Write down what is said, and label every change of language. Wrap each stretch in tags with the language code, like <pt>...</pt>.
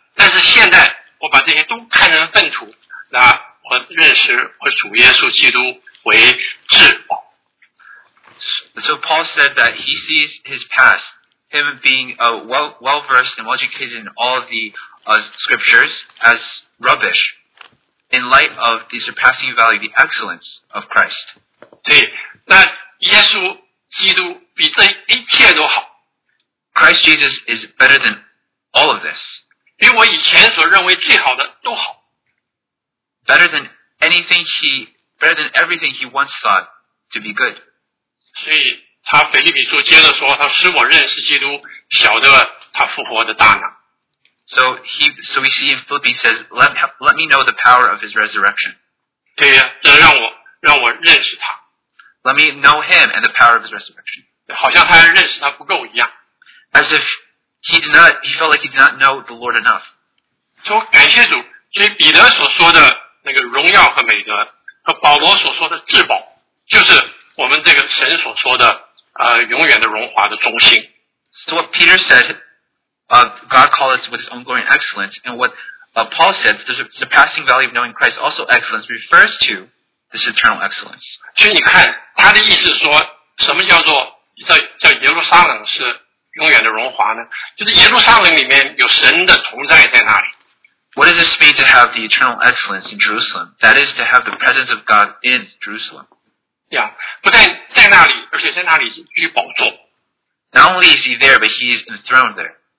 <zh>但是现在我把这些都看成粪土，那我认识我主耶稣基督为至宝。</zh> <en>So Paul said that he sees his past, him being well versed and well educated in all of the scriptures as rubbish, in light of the surpassing value, the excellence of Christ.</en> <zh>对，那耶稣基督比这一切都好。</zh> <en>Christ Jesus is better than all of this.</en> <zh>比我以前所认为最好的都好。</zh> <en>Better than everything he once thought to be good.</en> <zh>所以他腓立比书接着说，他使我认识基督，晓得他复活的大能。</zh> <en>So we see in Philippians says, let me know the power of his resurrection.</en> <zh>对呀，这让我认识他。</zh> <en>Let me know him and the power of his resurrection.</en> <zh>好像他认识他不够一样。</zh> <en>As if he felt like he did not know the Lord enough.</en> <zh>说感谢主，所以彼得所说的那个荣耀和美德，和保罗所说的至宝，就是我们这个神所说的永远的荣华的中心。</zh> <en>So what Peter said, God called us with his own glory and excellence, and what Paul said, the surpassing value of knowing Christ, also excellence, refers to this eternal excellence.</en> <zh>所以你看，他的意思说，什么叫做在耶路撒冷是永远的荣华呢？就是耶路撒冷里面有神的同在在那里。</zh> <en>What does this mean to have the eternal excellence in Jerusalem? That is to have the presence of God in Jerusalem.</en> <zh>Yeah, 不但在那里，而且在那里居宝座。</zh> <en>Not only is he there, but he is enthroned there.</en>